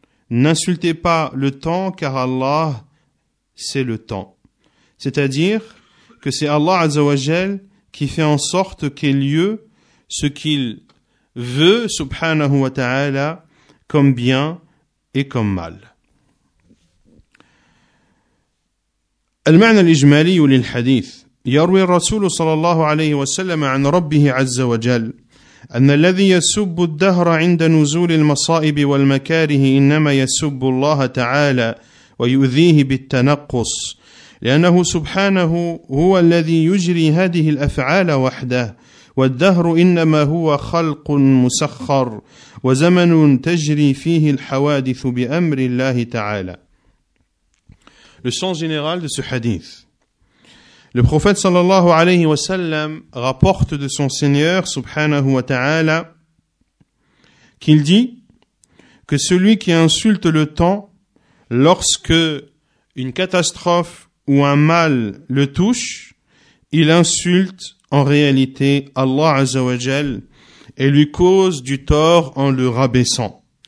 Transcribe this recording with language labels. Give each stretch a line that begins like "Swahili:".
French: N'insultez pas le temps, car Allah, c'est le temps. C'est-à-dire que c'est Allah Azza wa Jal qui fait en sorte qu'ait lieu ce qu'il veut, subhanahu wa ta'ala, comme bien et comme mal.
Arabic: المعنى الإجمالي للحديث يروي الرسول صلى الله عليه وسلم عن ربه عز وجل أن الذي يسب الدهر عند نزول المصائب والمكاره إنما يسب الله تعالى ويؤذيه بالتنقص لأنه سبحانه هو الذي يجري هذه الأفعال وحده والدهر إنما هو خلق مسخر وزمن تجري فيه الحوادث بأمر الله تعالى.
French: Le sens général de ce hadith. Le prophète sallallahu alayhi wa sallam rapporte de son Seigneur subhanahu wa ta'ala qu'il dit que celui qui insulte le temps lorsque une catastrophe ou un mal le touche, il insulte en réalité Allah azza wa jal et lui cause du tort en le rabaissant.